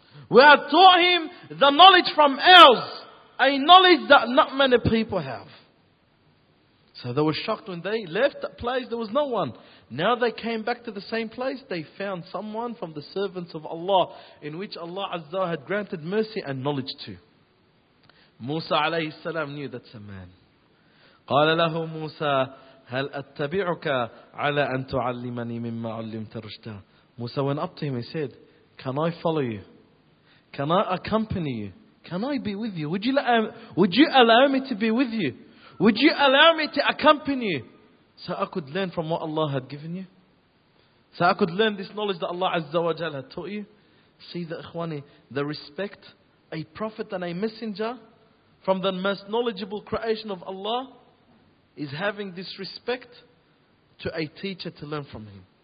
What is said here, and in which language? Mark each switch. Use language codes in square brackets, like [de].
[en] We had taught him the knowledge from ours, a knowledge that not many people have. So they were shocked when they left that place, there was no one. Now they came back to the same place, they found someone from the servants of Allah, in which Allah Azza had granted mercy and knowledge to. Musa alayhi salam knew that's a man. [ar] قال له موسى هل أتبعك على أن تعلمني مما علمت رشدا. [en] Musa went up to him and said, can I follow you? Can I accompany you? Can I be with you? Would you allow me to be with you? Would you allow me to accompany you so I could learn from what Allah had given you? So I could learn this knowledge that Allah Azza wa Jalla had taught you? See the ikhwani, the respect a prophet and a messenger from the most knowledgeable creation of Allah is having this respect to a teacher to learn from him.